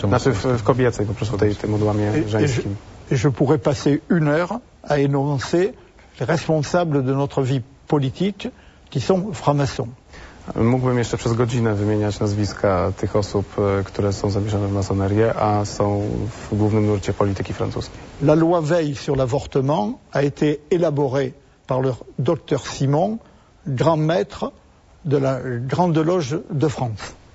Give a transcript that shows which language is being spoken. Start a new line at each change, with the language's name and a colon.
Polish: Znaczy w kobiecej, po prostu tym odłamie żeńskim.
French: Et je pourrais passer une heure à énoncer les responsables de notre vie politique qui sont francs-maçons.
Polish: Mógłbym jeszcze przez godzinę wymieniać nazwiska tych osób, które są zamieszane w masonerię, a są w głównym nurcie polityki francuskiej.
French: La loi Veil sur l'avortement a été élaborée par le docteur Simon, grand maître de la Grande Loge de France.